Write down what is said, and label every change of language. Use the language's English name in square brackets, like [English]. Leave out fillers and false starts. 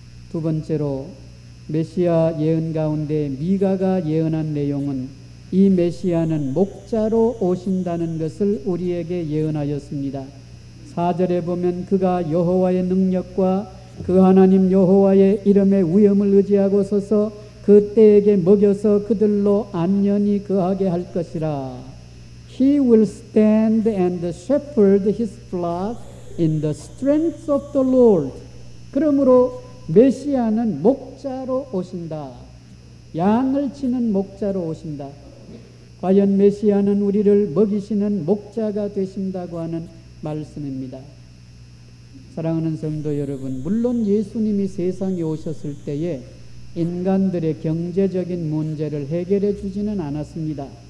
[Korean] 두 번째로 메시아 예언 가운데 미가가 예언한 내용은 이 메시아는 목자로 오신다는 것을 우리에게 예언하였습니다. 4절에 보면 그가 여호와의 능력과 그 하나님 여호와의 이름의 위엄을 의지하고 서서 그 때에게 먹여서 그들로 안연히 거하게 할 것이라. [English] He will stand and shepherd his flock in the strength of the Lord. [Korean] 그러므로 메시아는 목자로 오신다. 양을 치는 목자로 오신다. 과연 메시아는 우리를 먹이시는 목자가 되신다고 하는 말씀입니다. 사랑하는 성도 여러분, 물론 예수님이 세상에 오셨을 때에 인간들의 경제적인 문제를 해결해 주지는 않았습니다.